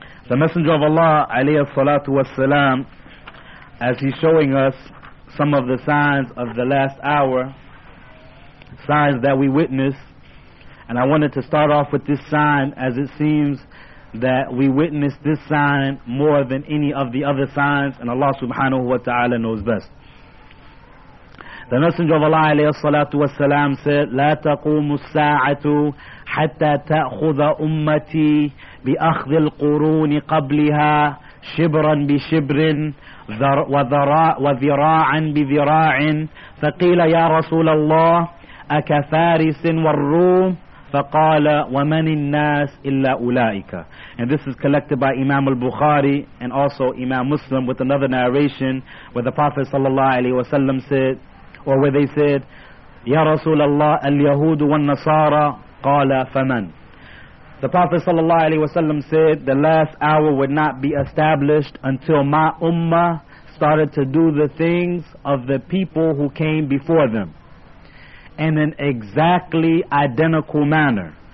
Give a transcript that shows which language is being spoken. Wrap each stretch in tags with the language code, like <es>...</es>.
<en>The Messenger of Allah alayhi salatu wassalam, as he's showing us some of the signs of the last hour, signs that we witness, and I wanted to start off with this sign, as it seems that we witness this sign more than any of the other signs, and Allah subhanahu wa ta'ala knows best. The Messenger of Allah alayhi salatu wassalam said,</en> <ar>لا تقوم الساعة حتى تأخذ أمتي بأخذ القرون قبلها شبرا بشبر وذراعا بذراع فقيل يا رسول الله أكفارس والروم فقال ومن الناس إلا أولئك.</ar> <en>And this is collected by Imam al-Bukhari and also Imam Muslim, with another narration where the Prophet sallallahu alayhi wasallam said, or where they said,</en> <ar>Ya Rasulallah, al-Yahud wa al-Nasara, qala faman.</ar> <en>The Prophet sallallahu alayhi wasallam said, the last hour would not be established until my ummah started to do the things of the people who came before them in an exactly identical manner.</en>